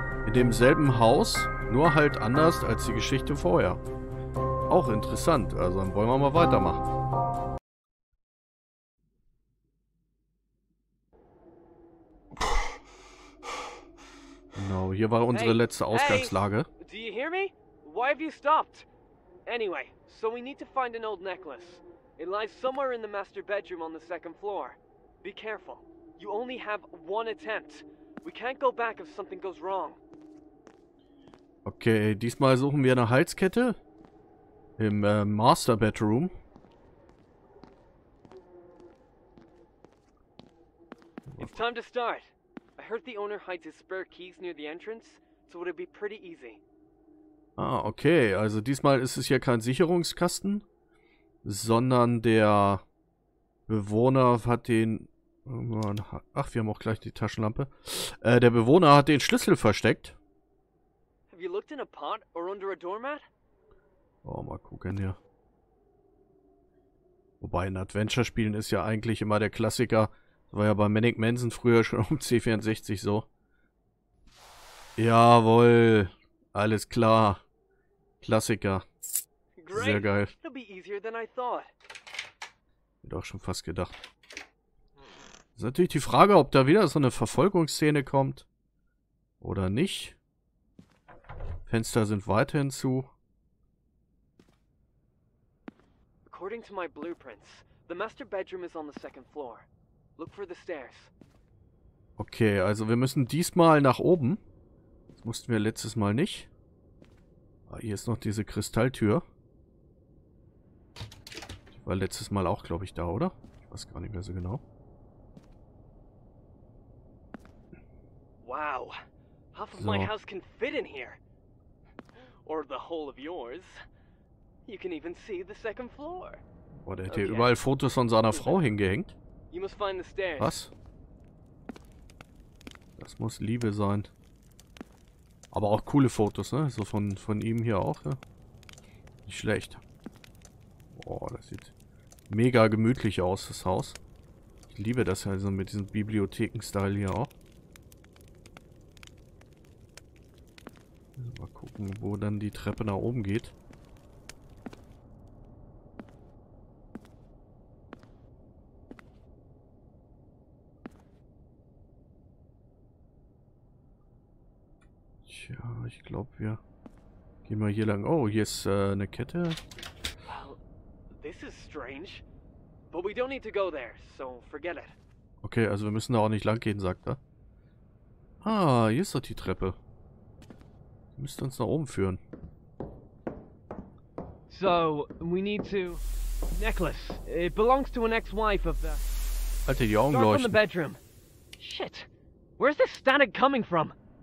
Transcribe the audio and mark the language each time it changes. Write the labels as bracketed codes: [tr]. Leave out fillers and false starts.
[de] In demselben Haus, nur halt anders als die Geschichte vorher. Auch interessant, also dann wollen wir mal weitermachen. Genau, hier war unsere letzte Ausgangslage. [en] Hey, do you hear me? Why have you stopped? Anyway, so we need to find an old necklace. It lies somewhere in the master bedroom on the second floor. Be careful. You only have one attempt. We can't go back if something goes wrong. [de] Okay, diesmal suchen wir eine Halskette im Master Bedroom. [en] It's time to start. I heard the owner hides his spare keys near the entrance, so it'll be pretty easy. Ah, okay. [de] Also diesmal ist es hier kein Sicherungskasten, sondern der Bewohner hat den... Ach, wir haben auch gleich die Taschenlampe. Der Bewohner hat den Schlüssel versteckt. [en] Have you looked in a pot or under a doormat? [de] Oh, mal gucken hier. Wobei, in Adventure-Spielen ist ja eigentlich immer der Klassiker. Das war ja bei Manic Manson früher schon um C64 so. Jawohl. Alles klar. Klassiker. Sehr geil. [en] It'll be easier than I thought. [de] Hätte auch schon fast gedacht. Ist natürlich die Frage, ob da wieder so eine Verfolgungsszene kommt. Oder nicht. Fenster sind weiterhin zu. [en] According to my blueprints, the master bedroom is on the second floor. Look for the stairs. [de] Okay, also wir müssen diesmal nach oben. Das mussten wir letztes Mal nicht. Ah, hier ist noch diese Kristalltür. Die war letztes Mal auch, glaube ich, da, oder? Ich weiß gar nicht mehr so genau. Wow. [en] Half of my house can fit in here. Or the whole of yours. You can even see the second floor. [de] Boah, der hat hier überall Fotos von seiner Frau hingehängt. [en] You must find the stairs. [de] Was? Das muss Liebe sein. Aber auch coole Fotos, ne? So von ihm hier auch, ja. Nicht schlecht. Boah, das sieht mega gemütlich aus, das Haus. Ich liebe das ja so mit diesem Bibliotheken-Style hier auch. Mal gucken, wo dann die Treppe nach oben geht. Tja, ich glaube, wir gehen mal hier lang. Oh, hier ist eine Kette. [en] Well, this is strange. But we don't need to go there, so forget it. [de] Okay, also wir müssen da auch nicht lang gehen, sagt er. Ah, hier ist doch die Treppe. Müsste uns nach oben führen. [en] So, we need to... Necklace. It belongs to an ex-wife of the... [de] Alter, die Augen leuchten. [en] Start from the bedroom. Shit. Where's this static coming from?